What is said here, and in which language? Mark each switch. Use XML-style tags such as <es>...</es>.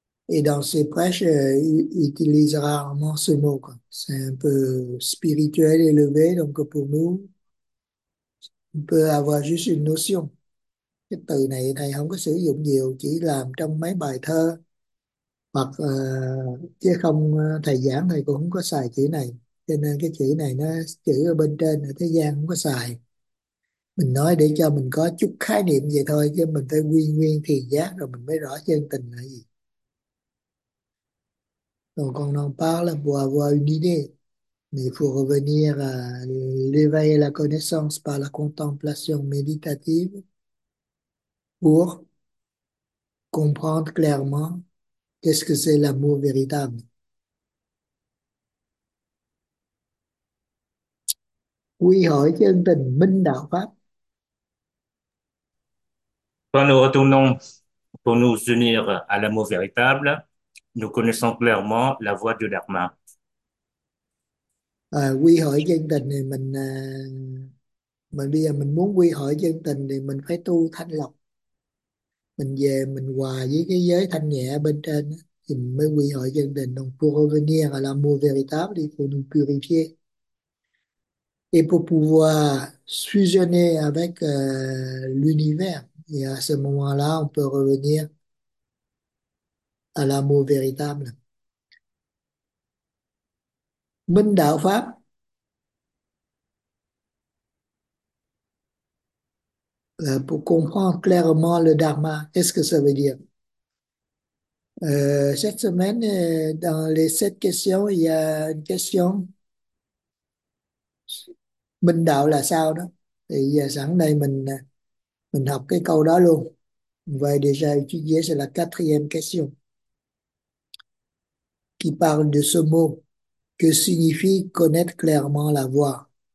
<fr>Et dans ses prêches, il utilise rarement ce mot, quoi. C'est un peu spirituel élevé, donc pour nous, on peut avoir juste une notion.</fr> <vi>Cái từ này thầy không có sử dụng nhiều, chỉ làm trong mấy bài thơ. Hoặc chứ không thầy giảng thầy cũng không có xài chữ này, cho nên cái chữ này nó chữ ở bên trên ở thế gian không có xài, mình nói để cho mình có chút khái niệm vậy thôi, chứ mình phải quy nguyên thiền giác rồi mình mới rõ chân tình là gì.</vi> <fr>Donc on en parle pour avoir une idée, mais il faut revenir à l'éveil à la connaissance par la contemplation méditative pour comprendre clairement qu'est-ce que c'est l'amour véritable?</fr> <vi>Quy hỏi chân tình minh đạo pháp.</vi> <fr>Quand nous retournons pour nous unir à l'amour véritable, nous connaissons clairement la voie du Dharma.</fr> <vi>À, quy hỏi chân tình thì mình bây giờ mình muốn quy hỏi chân tình thì mình phải tu thanh lọc. Mình về mình hòa với cái giới thanh nhẹ bên trên đó, thì mới quy hội chân tình.</vi> <fr>Donc pour revenir à l'amour véritable, il faut nous purifier. Et pour pouvoir fusionner avec l'univers, et à ce moment-là, on peut revenir à l'amour véritable.</fr> <vi>Minh đạo pháp.</vi> <fr>Pour comprendre clairement le dharma, qu'est-ce que ça veut dire? Cette semaine, dans les 7 questions, il y a une question.</fr> <vi>Minh đạo là sao đó? Thì giờ sẵn đây mình học cái câu đó luôn. Vậy</vi> <fr>déjà étudier, c'est la 4e question. Qui parle de ce mot? Que signifie connaître clairement la voie?</fr>